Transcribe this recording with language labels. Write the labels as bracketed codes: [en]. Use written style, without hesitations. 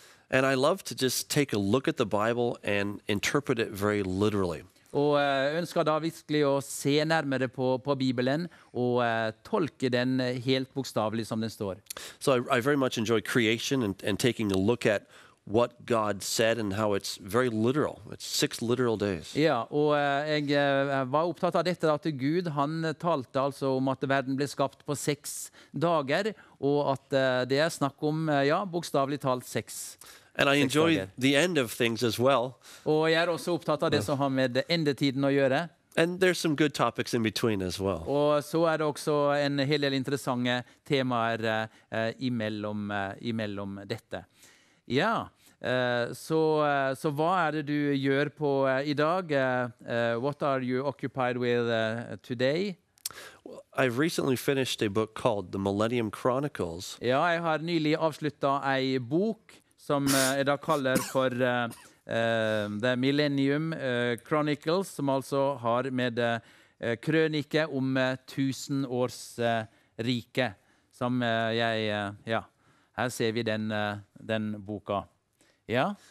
[en] And I love to just take a look at the Bible and interpret it very literally. [no] Og ønsker da virkelig å se nærmere på Bibelen og tolke den helt bokstavelig som den står. [en] So I very much enjoy creation and taking a look at what God said and how it's very literal. It's six literal days. [no] Ja, og jeg var opptatt av dette, at Gud, han talte altså om at verden ble skapt på seks dager, og at det er snakk om, ja, bokstavlig talt seks. [en] And I enjoy the end of things as well. [no] Og jeg er også opptatt av det som har med endetiden å gjøre. [en] And there's some good topics in between as well. [no] Og så er det også en hel del interessante temaer imellom dette. Ja, så hva er det du gjør på i dag? [en] What are you occupied with today? Well, I've recently finished a book called The Millennium Chronicles. [no] Ja, jeg har nylig avsluttet en bok som jeg da kaller for The Millennium Chronicles, som altså har med krønike om tusenårsrike, som jeg, ja, her ser vi den boka. Ja.